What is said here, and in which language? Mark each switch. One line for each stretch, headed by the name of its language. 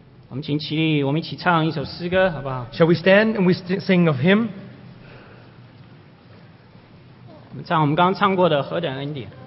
Chinese: 我们请起立，我们一起唱一首诗歌，好不好？
English: Shall we stand and we sing of Him?
Chinese: 唱我们刚刚唱过的何等恩典。